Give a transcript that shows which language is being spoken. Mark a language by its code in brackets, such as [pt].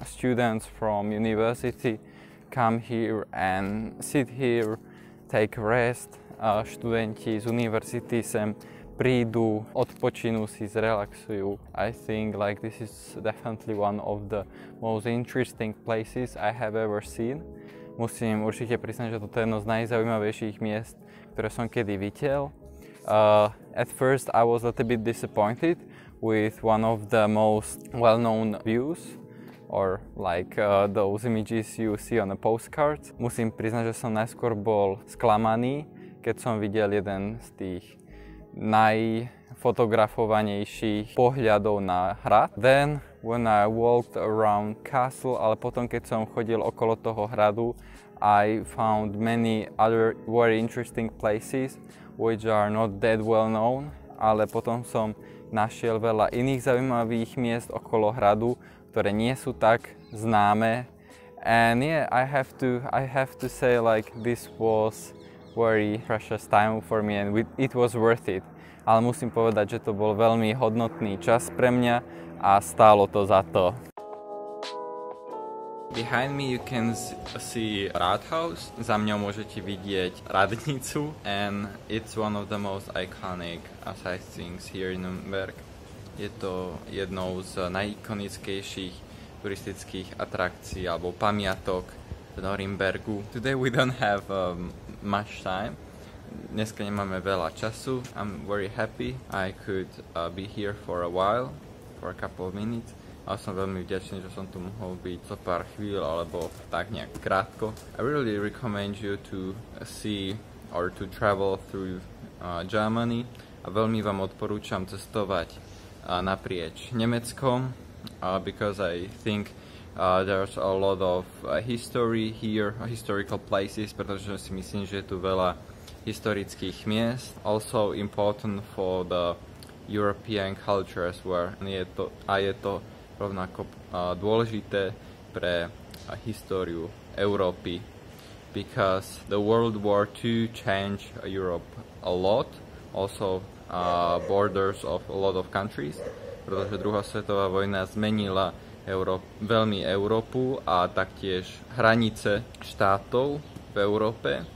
[en] Students from university come here and sit here, take rest. [sk] Študenti z univerzity sem prídu, odpočinú si, zrelaxujú. [en] I think like this is definitely one of the most interesting places I have ever seen. [sk] Musím určite priznať, že toto je jedno z najzaujímavejších miest, ktoré som kedy videl. [en] At first I was a little bit disappointed with one of the most well-known views, or like those images you see on a postcard. [sk] Musím priznať, že som najskôr bol sklamaný, keď som videl jeden z tých najfotografovanejších pohľadov na hrad. [en] Then, when I walked around castle, [sk] ale potom, keď som chodil okolo toho hradu, [en] I found many other very interesting places, which are not that well known. [sk] Ale potom som našiel veľa iných zaujímavých miest okolo hradu, ktoré nie sú tak známe. [en] And yeah, I have to say like this was very precious time for me and it was worth it. [sk] Ale musím povedať, že to bol veľmi hodnotný čas pre mňa a stálo to za to. [en] Behind me you can see Rathaus. [sk] Za mňou môžete vidieť radnicu [en] and it's one of the most iconic sightings here in Norimberg. [sk] Je to jednou z najikonickejších turistických atrakcií alebo pamiatok v Norimbergu. [en] Today we don't have much time. [sk] Dneska nemáme veľa času. [en] I'm very happy I could be here for a while, for a couple of minutes. [sk] A som veľmi vďačný, že som tu mohol byť za pár chvíľ alebo tak nejak krátko. [en] I really recommend you to see or to travel through Germany. [sk] A veľmi vám odporúčam cestovať naprieč Nemeckom, [en] because I think there's a lot of history here, historical places, [sk] pretože si myslím, že je tu veľa historických miest. [en] Also important for the European culture as well. [sk] Je to rovnako dôležité pre históriu Európy, [en] because the World War II changed Europe a lot, also borders of a lot of countries, [sk] pretože druhá svetová vojna zmenila veľmi Európu a taktiež hranice štátov v Európe.